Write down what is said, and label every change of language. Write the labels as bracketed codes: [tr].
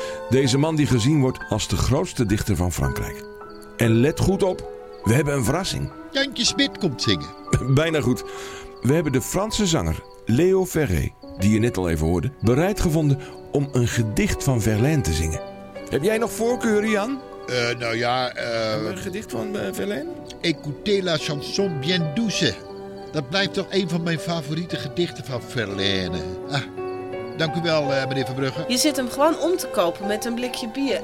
[nl] Deze man die gezien wordt als de grootste dichter van Frankrijk. En let goed op, we hebben een verrassing. Jantje Smit komt zingen. Bijna goed. We hebben de Franse zanger Léo Ferré, die je net al even hoorde, bereid gevonden om een gedicht van Verlaine te zingen. Heb jij nog voorkeuren, Jan? Een gedicht van Verlaine? [fr] Écoutez la chanson bien douce. [nl] Dat blijft toch een van mijn favoriete gedichten van Verlaine. Ah, dank u wel, meneer Verbrugge. Je zit hem gewoon om te kopen met een blikje bier.